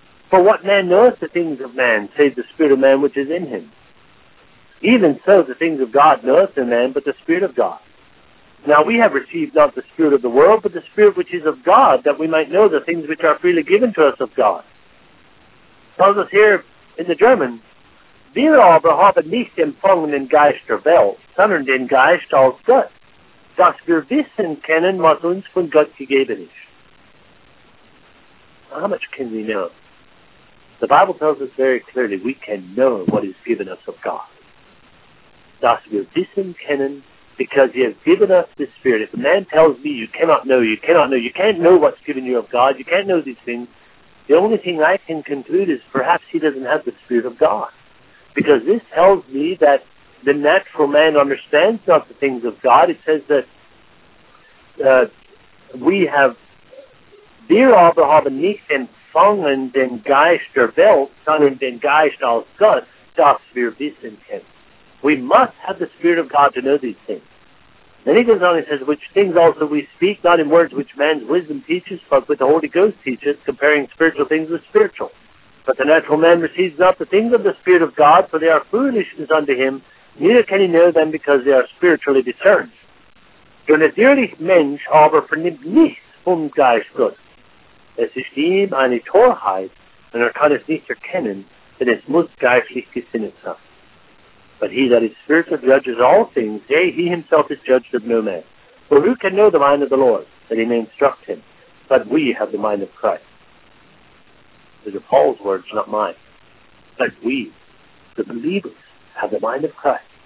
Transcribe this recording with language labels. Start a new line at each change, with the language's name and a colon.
English: For what man knoweth the things of man, save the spirit of man which is in him? Even so, the things of God knoweth a man, but the spirit of God. Now we have received not the spirit of the world, but the spirit which is of God, that we might know the things which are freely given to us of God. It tells us here in the German,
German: wir aber haben nicht empfangen den Geist der Welt, sondern den Geist aus Gott, dass wir wissen können, was uns von Gott gegeben ist.
English: How much can we know? The Bible tells us very clearly we can know what is given us of God. Thus we are disenchanted because he has given us the Spirit. If a man tells me you cannot know, you cannot know, you can't know what's given you of God, you can't know these things, the only thing I can conclude is perhaps he doesn't have the Spirit of God. Because this tells me that the natural man understands not the things of God. It says that we have dear Abraham and Nathan,
German: fangen den Geist der Welt, sondern den Geist aus Gott, dass wir wissen können.
English: We must have the Spirit of God to know these things. Then he goes on and says, which things also we speak, not in words which man's wisdom teaches, but with the Holy Ghost teaches, comparing spiritual things with spiritual. But the natural man receives not the things of the Spirit of God, for they are foolishness unto him, neither can he know them because they are spiritually discerned.
German: Der natürliche Mensch aber vernimmt nicht vom Geist Gottes. Es ist ihm eine Torheit, und kann es nicht erkennen, denn es muss geistlich gesinnet sein.
English: But he that is spiritual judges all things, yea, he himself is judged of no man. For who can know the mind of the Lord, that he may instruct him? But we have the mind of Christ. These are Paul's words, not mine. But we, the believers, have the mind of Christ.